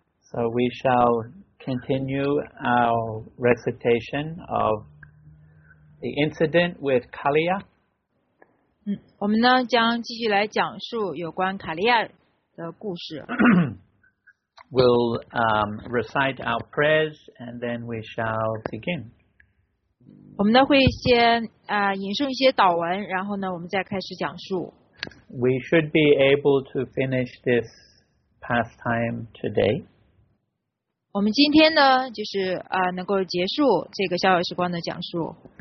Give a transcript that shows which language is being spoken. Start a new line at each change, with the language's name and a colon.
English: So we shall continue our recitation of the incident with Kaliya.
Chinese: 我们呢将继续来讲述有关卡利亚的故事。
English: We'll recite our prayers and then we shall begin.
Chinese: 我们呢会先引诵一些祷文，然后呢我们再开始讲述。
English: We should be able to finish this. Pastime today.
Chinese: 我们今天呢，就是能够结束这个逍遥时光的讲述。